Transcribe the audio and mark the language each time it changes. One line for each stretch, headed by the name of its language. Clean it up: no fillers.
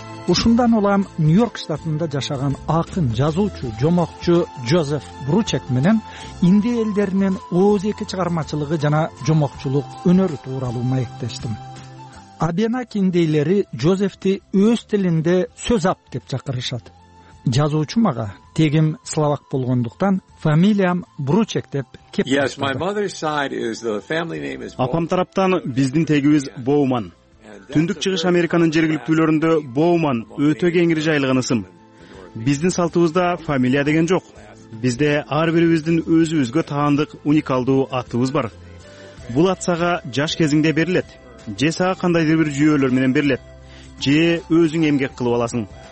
Kyrgyz: Ушундан улам Нью-Йорк штатында жашаган акын, жазуучу, жомокчу Жозеф Бручек менен инди элдеринин 12 чыгармачылыгы жана жомокчулук өнөрү тууралуу маектештим. Абенаки индейлери Жозефти өз тилинде сөз ап деп чакырышат. Жазуучу мага тегим словак болгондуктан фамилиям Бручек деп кеп.
English: Yes, my mother's side is the family name is.
Kyrgyz: Апам тараптан биздин тегибиз Боуман. Түндүк чыгыш Американын жергиликтүүлөрүндө Боуман өтө кеңири жайылган ысым. Биздин салтыбызда фамилия деген жок. Бизде ар бирибиздин өзүбүзгө таандык уникалдуу атыбыз бар. Бул ат сага жаш кезиңде берилет, же сага кандайдыр бир жүйөлөр менен берилет, же өзүң эмгек кылып аласың.